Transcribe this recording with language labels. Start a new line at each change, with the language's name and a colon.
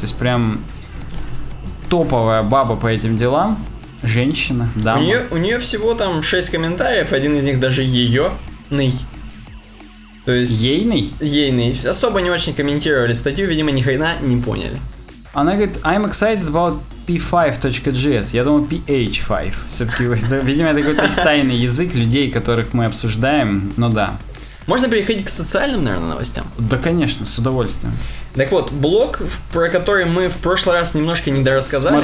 Russian: То есть прям топовая баба по этим делам, женщина, дама. У нее всего там 6 комментариев, один из них даже ее-ный. То есть ейный? Ейный. Особо не очень комментировали статью, видимо, ни хрена не поняли. Она говорит:
English: I'm excited about p5.js.
Russian: Я думал, ph5. Все-таки, видимо, это какой-то тайный язык людей, которых мы обсуждаем. Ну да. Можно переходить к социальным, наверное, новостям? Да, конечно, с удовольствием. Так вот, блог, про который мы в прошлый раз немножко недорассказали.